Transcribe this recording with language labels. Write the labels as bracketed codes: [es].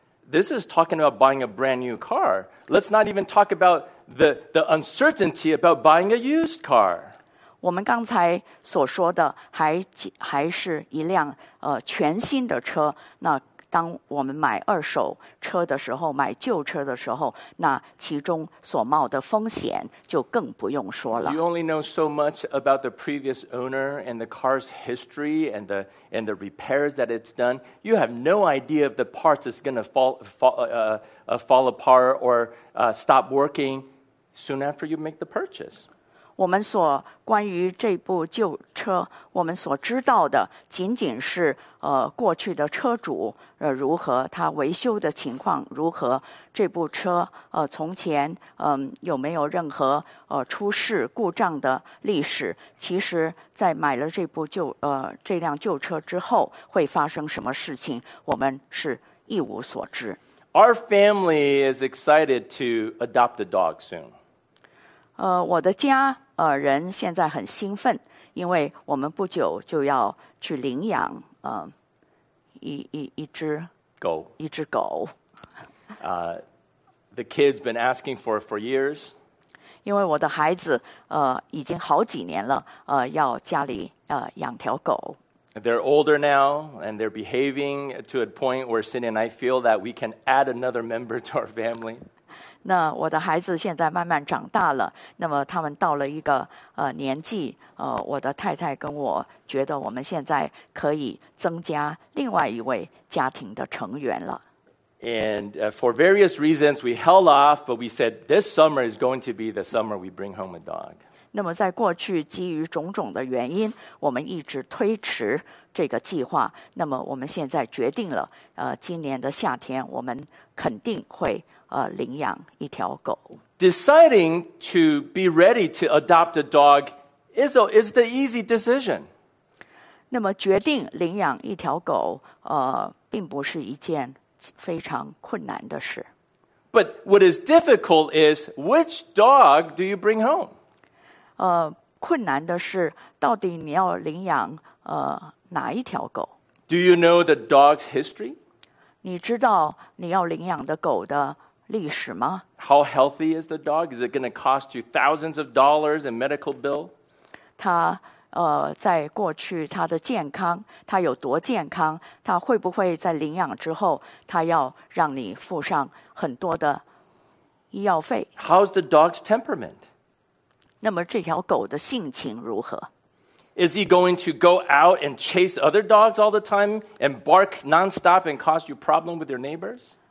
[en] This is talking about buying a brand new car. Let's not even talk about the uncertainty about buying a used car. [zh] 我们刚才所说的还是一辆全新的车。那当我们买二手车的时候，买旧车的时候，那其中所冒的风险就更不用说了。 [en] You only know so much about the previous owner and the car's history and the repairs that it's done. You have no idea if the parts is going to fall apart or stop working soon after you make the purchase. [zh] 我们所关于这部旧车，我们所知道的仅仅是过去的车主如何，他维修的情况如何，这部车从前有没有任何出事故障的历史，其实在买了这辆旧车之后会发生什么事情我们是一无所知。 [en] Our family is excited to adopt a dog soon. [zh] 我的家人现在很兴奋，因为我们不久就要去领养一只狗。 [en] The kid's been asking for it for years. [zh] 因为我的孩子已经好几年了要家里养条狗。 [en] They're older now and they're behaving to a point where Cindy and I feel that we can add another member to our family. [zh] 那我的孩子现在慢慢长大了，那么他们到了一个年纪我的太太跟我觉得我们现在可以增加另外一位家庭的成员了。 [en] And for various reasons we held off, but we said this summer is going to be the summer we bring home a dog. [zh] 那么在过去基于种种的原因我们一直推迟这个计划，那么我们现在决定了今年的夏天我们肯定会领养一条狗。 [en] Deciding to be ready to adopt a dog is the easy decision. [zh] 那么决定领养一条狗并不是一件非常困难的事。 [en] But what is difficult is which dog do you bring home? [zh] 困难的是到底你要领养哪一条狗。 [en] Do you know the dog's history? [zh] 你知道你要领养的狗的历史吗？ [en] How healthy is the dog? Is it going to cost you thousands of dollars in medical bill? [zh] 他在过去他的健康，他有多健康？他会不会在领养之后，他要让你付上很多的医药费？ [en] How's the dog's temperament? [zh] 那么这条狗的性情如何？ [en] Is he going to go out and chase other dogs all the time and bark nonstop and cause you problem with your neighbors?